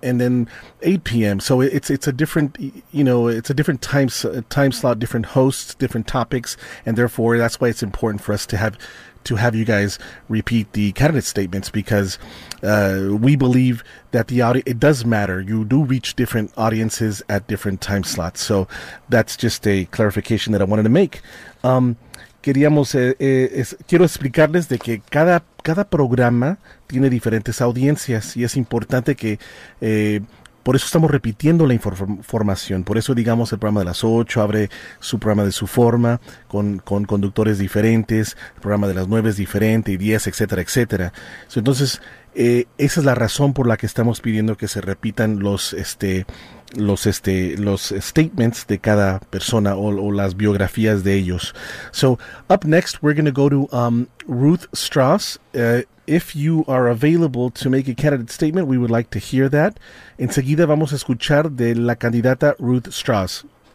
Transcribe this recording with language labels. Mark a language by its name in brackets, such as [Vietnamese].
[English] and then 8 p.m. So it's a different, you know, it's a different time slot, different hosts, different topics, and therefore that's why it's important for us to have you guys repeat the candidate statements, because we believe that the audio, it does matter. You do reach different audiences at different time slots. So that's just a clarification that I wanted to make. [Spanish] Quiero explicarles de que cada programa tiene diferentes audiencias, y es importante que por eso estamos repitiendo la información. Por eso, digamos, el programa de las 8 abre su programa de su forma, con conductores diferentes, el programa de las 9 es diferente, y 10, etcétera, etcétera. Entonces, esa es la razón por la que estamos pidiendo que se repitan los statements de cada persona, o las biografías de ellos. [English] So, up next, we're going to go to Ruth Strauss. If you are available to make a candidate statement, we would like to hear that. [Spanish] Enseguida vamos a escuchar de la candidata Ruth Strauss.